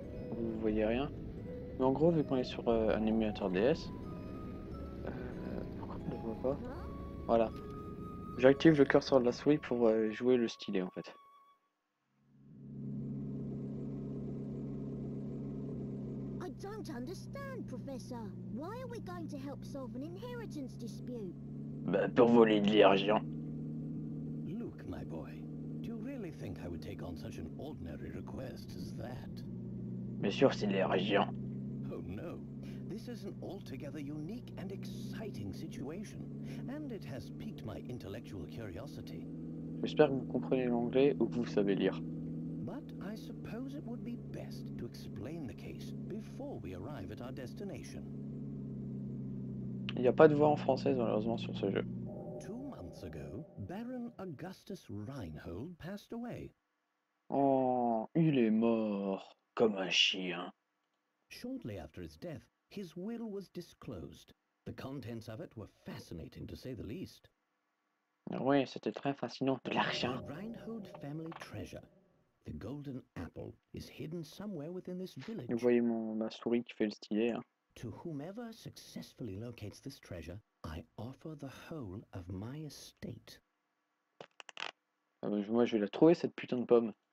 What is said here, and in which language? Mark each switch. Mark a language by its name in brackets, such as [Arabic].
[French] Vous voyez rien, mais en gros vu qu'on est sur un émulateur DS, pourquoi on le voit pas, voilà, j'active le curseur de la souris pour jouer le stylet en fait. [English] I don't understand, professor. Why are we going to help solve an inheritance dispute? [French] Bah, pour voler de l'argent. [English] Look, my boy, do you really think I would take on such an ordinary request as that? [French] Bien sûr, c'est les régions. [English] Oh non, this is an altogether unique and exciting situation, and it has piqued my intellectual curiosity. [French] J'espère que vous comprenez l'anglais ou que vous savez lire. [English] But I suppose it would be best to explain the case before we arrive at our destination. [French] Il n'y a pas de voix en français malheureusement sur ce jeu. [English] 2 months ago, Baron Augustus Reinhold passed away. [French] Oh, il est mort. Comme un chien. [English] Shortly after his death, his will was disclosed. The contents of it were fascinating, to say the least. [French] Oui, c'était très fascinant. De l'argent. [English] The Reinhold family treasure, the golden apple, is hidden somewhere within this village. [French] Vous voyez ma souris qui fait le stylet. Hein. [English] To whomever successfully locates this treasure, I offer the whole of my estate. [French] Ah ben, moi, je vais la trouver cette putain de pomme.